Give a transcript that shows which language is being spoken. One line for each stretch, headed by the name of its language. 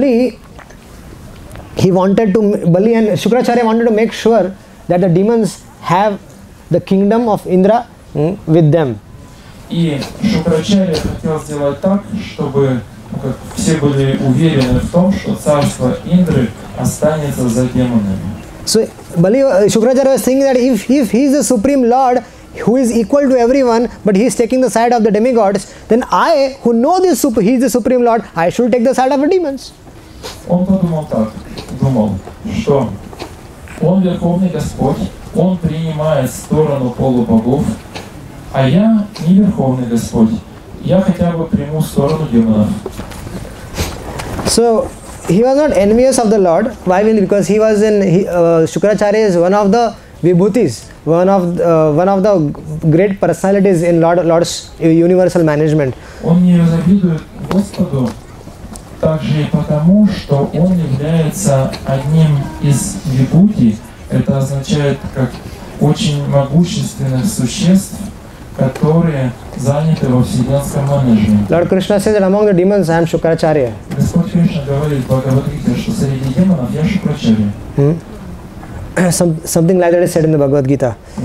English: Bali and Shukracharya wanted to make sure that the demons have the kingdom of Indra with them.
Russian: И Шукрачарья хотел сделать так, чтобы как все были уверены в том, что царство Индры останется за демонами.
English: So Bali, Shukracharya was thinking that if he is the supreme lord who is equal to everyone, but he is taking the side of the demigods, then I, who know this super, he is the supreme lord, I should take the side of the demons.
Russian: Он подумал так, что он верховный господь, он принимает сторону полубогов, а я не верховный господь. Я хотя бы приму сторону демонов.
English: So he was not envious of the Lord. Why? Because he was Shukracharya is one of the vibhutis, one of the great personalities in Lord's universal management.
Russian: Он не завидует Господу также потому, что он является одним из вибхути. Это означает как очень могущественных существ, которые заняты во вселенском менеджменте.
English: Lord Krishna says that among the demons I am Shukracharya.
Russian: Господь Кришна говорит Бхагавад Гите, что среди демонов я Шукрачарья.
English: Something like that is said in the Bhagavad Gita.